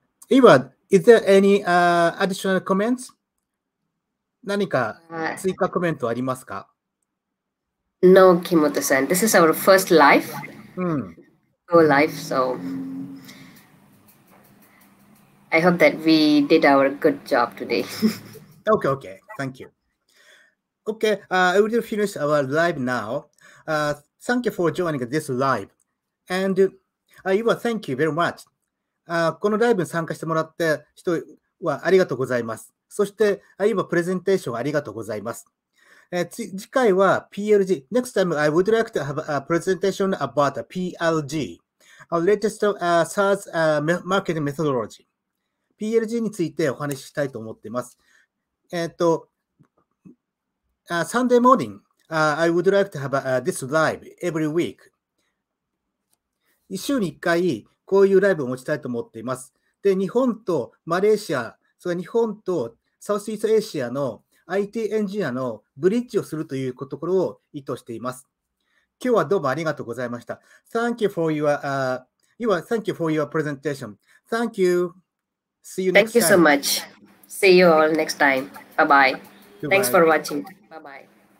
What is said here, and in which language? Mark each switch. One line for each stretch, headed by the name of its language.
English: Eva, is there any additional comments?
Japanese: 何か追加コメントありますか?
English: No, Kimoto-san. This is our first live. whole life. So I hope that we did our good job today. Okay. Thank you. Okay, I will finish our live now. Thank you for joining this live. And you are thank you very much.
Japanese: このライブに参加してもらって人はありがとうございます。そして、今プレゼンテーションありがとうございます。次回は PLG。
English: Next time I would like to have a presentation about the PLG, our latest SaaS marketing methodology.
Japanese: PLG についてお話ししたいと思っています。
English: Sunday morning, I would like to have this live every week.
Japanese: 一週に一回、こういうライブを持ちたいと思っています。で、日本とマレーシア、それから日本とサウスイートエーシアの IT エンジニアのブリッジをするというところを意図しています。今日はどうもありがとうございました。
English: Thank you for thank you for your presentation. Thank you. See you next time. Thank you so much. See you all next time. Bye-bye. Thanks for watching. Bye-bye.